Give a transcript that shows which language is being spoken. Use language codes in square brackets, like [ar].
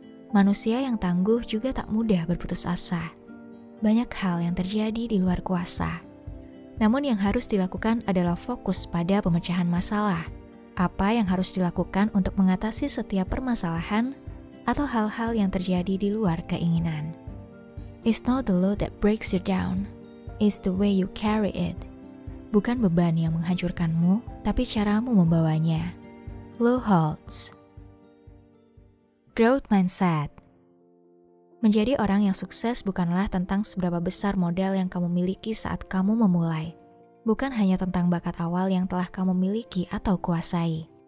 [id] Manusia yang tangguh juga tak mudah berputus asa. Banyak hal yang terjadi di luar kuasa. Namun yang harus dilakukan adalah fokus pada pemecahan masalah. Apa yang harus dilakukan untuk mengatasi setiap permasalahan atau hal-hal yang terjadi di luar keinginan. [en] It's not the load that breaks you down, it's the way you carry it. [id] Bukan beban yang menghancurkanmu, tapi caramu membawanya. Lou Holtz. Growth Mindset. Menjadi orang yang sukses bukanlah tentang seberapa besar modal yang kamu miliki saat kamu memulai. Bukan hanya tentang bakat awal yang telah kamu miliki atau kuasai.